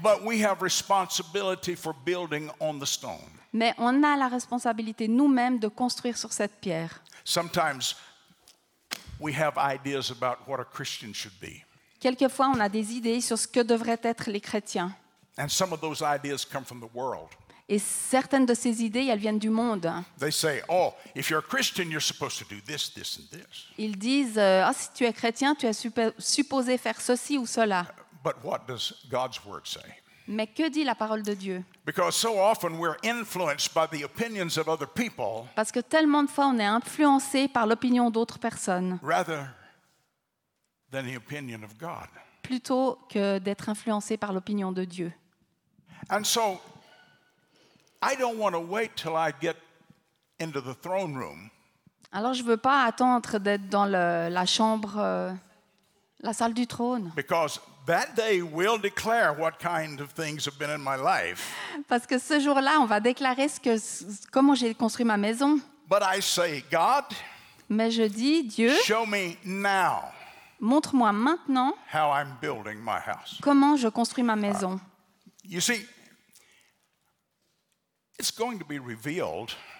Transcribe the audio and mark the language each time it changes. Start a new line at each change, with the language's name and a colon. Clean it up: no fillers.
English: But we have responsibility for building on the stone.
French: Mais on a la responsabilité nous-mêmes de construire sur cette pierre.
English: Sometimes we have ideas about what a Christian should be.
French: Quelquefois, on a des idées sur ce que devraient être les chrétiens.
English: And some of those ideas come from the world.
French: Et certaines de ces idées, elles viennent du monde.
English: They say, oh, if you're a Christian, you're supposed to do this, this, and this.
French: Ils disent, oh, si tu es chrétien, tu es supposé faire ceci ou cela.
English: But what does God's word say?
French: Mais que dit la parole de Dieu?
English: Because so often we're influenced by the opinions of other people.
French: Parce que tellement de fois, on est influencé par l'opinion d'autres personnes.
English: Rather than the opinion of God.
French: Plutôt que d'être influencé par l'opinion de Dieu.
English: And so, I don't want to wait till I get into the throne room.
French: Alors je veux pas attendre d'être dans la chambre, la salle du trône.
English: Because that day will declare what kind of things have been in my life.
French: Parce que ce jour-là, on va déclarer comment j'ai construit ma maison.
English: But I say, God.
French: Mais je dis, Dieu.
English: Show me now.
French: Montre-moi maintenant
English: how I'm building my house.
French: Comment je construis ma maison.
English: You see, it's going to be revealed.